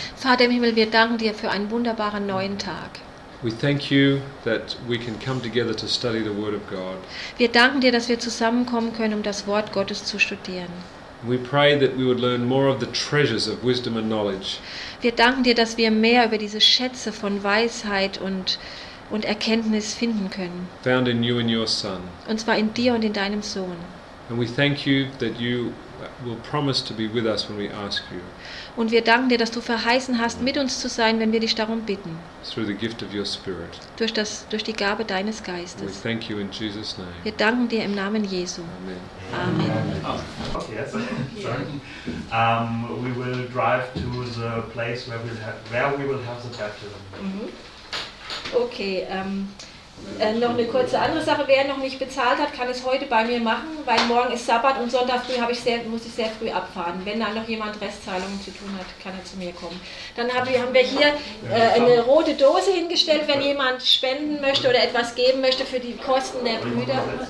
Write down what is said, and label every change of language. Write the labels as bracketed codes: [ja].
[de] Vater im Himmel, wir danken dir für einen wunderbaren neuen Tag. [en] We thank you that we can come together to study the word of God. [de] Wir danken dir, dass wir zusammenkommen können, um das Wort Gottes zu studieren. [en] We pray that we would learn more of the treasures of wisdom and knowledge. [de] Wir danken dir, dass wir mehr über diese Schätze von Weisheit und Erkenntnis finden können. [en] Found in you and your son. [de] Und zwar in dir und in deinem Sohn. [en] And we thank you that you will promise to be with us when we ask you. [de] Und wir danken dir, dass du verheißen hast, mit uns zu sein, wenn wir dich darum bitten. [en] Through the gift of your spirit. [de] Durch die Gabe deines Geistes. [en] We thank you in Jesus name. [de] Wir danken dir im Namen Jesu. Amen. Amen. Amen. [en] Oh, yes. Sorry. We will drive to the place where we will have the baptism. Mm-hmm. [de] Okay, noch eine kurze andere Sache, wer noch nicht bezahlt hat, kann es heute bei mir machen, weil morgen ist Sabbat und Sonntag früh muss ich sehr früh abfahren. Wenn dann noch jemand Restzahlungen zu tun hat, kann er zu mir kommen. Dann haben wir hier eine rote Dose hingestellt, wenn jemand spenden möchte oder etwas geben möchte für die Kosten der Brüder.